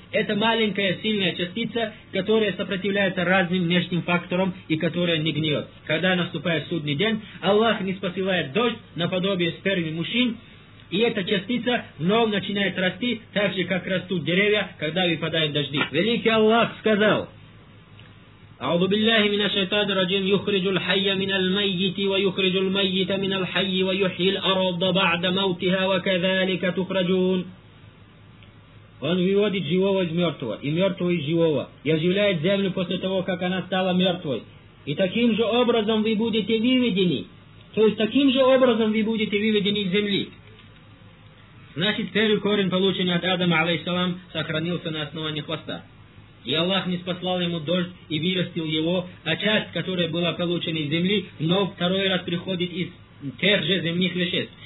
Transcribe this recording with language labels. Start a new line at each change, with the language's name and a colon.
Russian: Это маленькая сильная частица, которая сопротивляется разным внешним факторам и которая не гниет. Когда наступает судный день, Аллах не спосылает дождь наподобие спермы мужчин, и эта частица вновь начинает расти, так же, как растут деревья, когда выпадают дожди. Великий Аллах сказал...
Arabic: أعوذ بالله من الشيطان الرجيم يخرج الحي من الميت ويخرج الميت من الحي ويحيي الأرض بعد موتها وكذلك تخرجون
Russian: Он выводит живого из мертвого, и мертвого из живого, и оживляет землю после того, как она стала мертвой. И таким же образом вы будете выведены, то есть таким же образом вы будете выведены из земли. Значит, первый корень, полученный от Адама, алейхиссалам, сохранился на основании хвоста. И Аллах не спаслал ему дождь и вырастил его, а часть, которая была получена из земли, но второй раз приходит из тех же земных веществ.